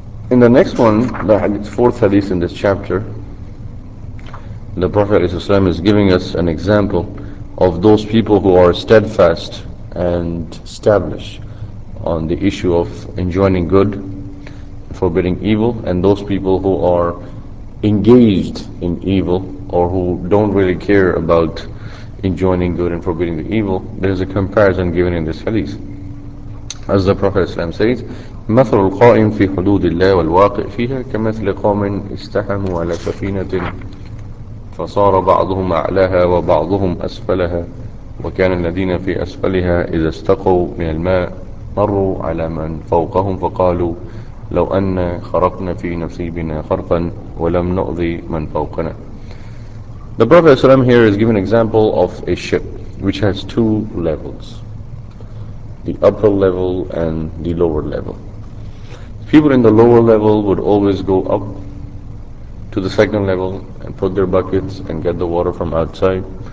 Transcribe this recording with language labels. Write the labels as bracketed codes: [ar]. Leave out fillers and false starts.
[en] In the next one, the fourth hadith in this chapter, the Prophet ﷺ is giving us an example of those people who are steadfast and established on the issue of enjoining good, forbidding evil, and those people who are engaged in evil or who don't really care about enjoining good and forbidding the evil. There's a comparison given in this hadith. As the Prophet ﷺ says, [ar] مَثَلُ الْقَائِمِ فِي حُدُودِ اللَّهِ وَالْوَاقِعِ فِيهَا كَمَثْلِ قَوْمٍ اسْتَحَمُوا عَلَى سَفِينَةٍ فصار بعضهم أعلاها وبعضهم أسفلها وكان الذين في أسفلها إذا استقوا من الماء مروا على من فوقهم فقالوا لو أن خرقنا في نصيبنا خرقا ولم نؤذي من فوقنا. [en] The Prophet ﷺ here is giving an example of a ship which has two levels, the upper level and the lower level. People in the lower level would always go up to the second level and put their buckets and get the water from outside.